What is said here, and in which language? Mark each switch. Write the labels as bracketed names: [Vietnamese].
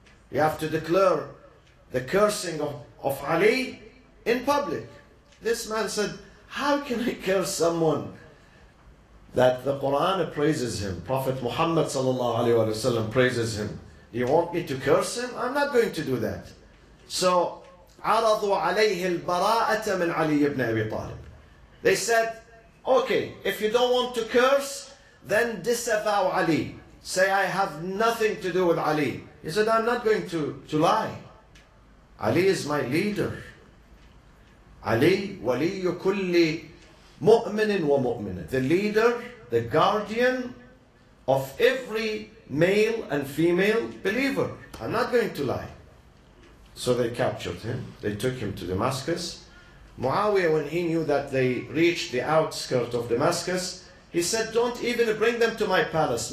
[English] You have to declare the cursing of Ali in public. This man said, how can I curse someone that the Quran praises him? Prophet Muhammad sallallahu alaihi wasallam praises him Do you want me to curse him? I'm not going to do that. [Arabic] So, عرضوا عليه البراءة من علي بن أبي طالب. [English] They said, okay, if you don't want to curse, then disavow Ali. Say, I have nothing to do with Ali. He said, I'm not going to lie. Ali is my leader. [Arabic] Ali, ولي كل مؤمن ومؤمنة. [English] The leader, the guardian of every male and female believer. I'm not going to lie. So they captured him. They took him to Damascus. Muawiyah, when he knew that they reached the outskirts of Damascus, he said, don't even bring them to my palace.